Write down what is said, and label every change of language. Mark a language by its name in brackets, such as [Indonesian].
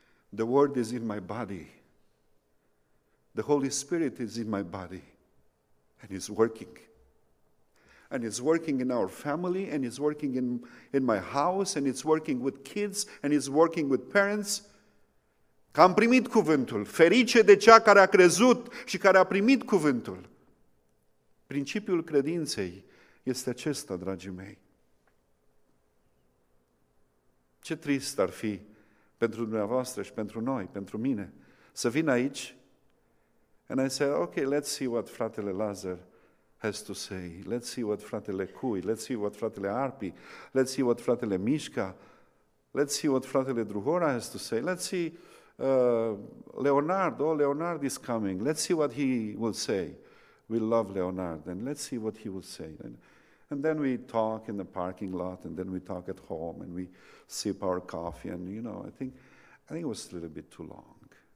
[English] The word is in my body. The Holy Spirit is in my body. And it's working. And it's working in our family, and it's working in my house, and it's working with kids, and it's working with parents. [Romanian] Că am primit cuvântul. Ferice de cea care a crezut și care a primit cuvântul. Principiul credinței este acesta, dragii mei. Ce trist ar fi pentru dumneavoastră și pentru noi, pentru mine, să vin aici [English] and I say, okay, let's see what fratele Lazar has to say. Let's see what fratele Cui, let's see what fratele Arpi, let's see what fratele Mișca Let's see what fratele Druhora has to say. Let's see Leonard. Oh, Leonard is coming. Let's see what he will say. We love Leonard, and let's see what he will say. And then we talk in the parking lot, and then we talk at home, and we sip our coffee, and you know, I think it was a little bit too long.